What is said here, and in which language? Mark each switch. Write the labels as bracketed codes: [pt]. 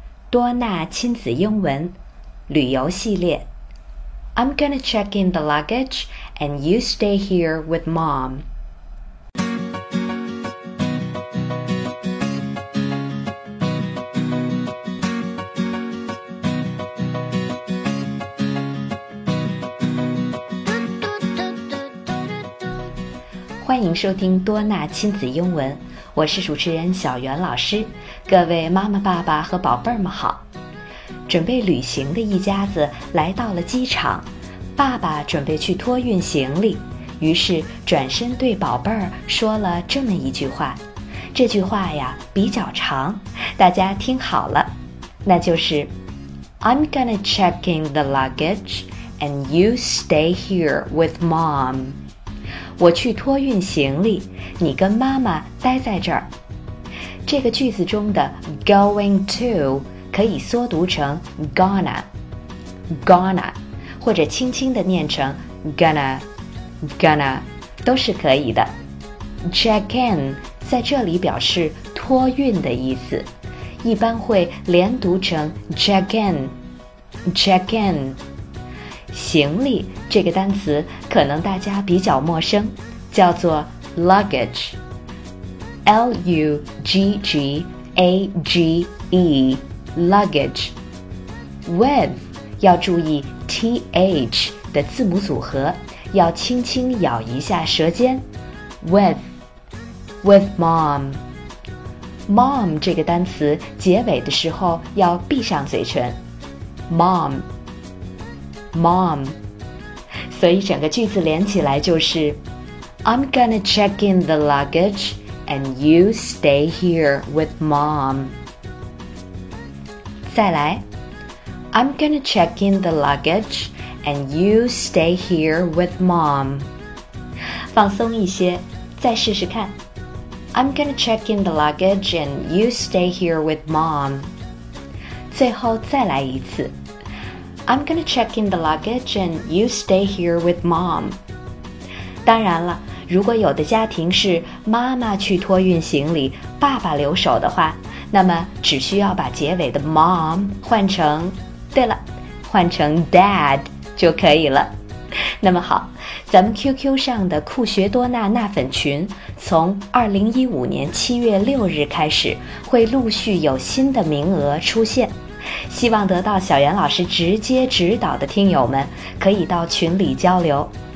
[zh] 多纳亲子英文旅游系列。 [en] I'm gonna check in the luggage and you stay here with mom. [zh] 欢迎收听多纳亲子英文，我是主持人小袁老师。各位妈妈爸爸和宝贝儿们好，准备旅行的一家子来到了机场，爸爸准备去托运行李，于是转身对宝贝儿说了这么一句话。这句话呀比较长，大家听好了，那就是 [en] I'm gonna check in the luggage and you stay here with mom. [zh] 我去托运行李，你跟妈妈待在这儿。这个句子中的 going to 可以缩读成 gonna gonna， 或者轻轻地念成 gonna gonna， 都是可以的。 check in 在这里表示托运的意思，一般会连读成 check in check in。行李这个单词可能大家比较陌生，叫做 luggage， L-U-G-G-A-G-E luggage， with 要注意 th 的字母组合，要轻轻咬一下舌尖， with with mom。 mom 这个单词结尾的时候要闭上嘴唇， mom mom。所以整个句子连起来就是 [en] I'm gonna check in the luggage and you stay here with mom。 [zh] 再来， [en] I'm gonna check in the luggage and you stay here with mom。 [zh] 放松一些再试试看， [en] I'm gonna check in the luggage and you stay here with mom。 [zh] 最后再来一次， [en] I'm gonna check in the luggage and you stay here with mom。 [zh] 当然了，如果有的家庭是妈妈去托运行李，爸爸留守的话，那么只需要把结尾的 mom 换成，对了，换成 dad 就可以了。那么好，咱们 QQ 上的酷学多纳纳粉群从2015年7月6日开始会陆续有新的名额出现，希望得到小袁老师直接指导的听友们可以到群里交流。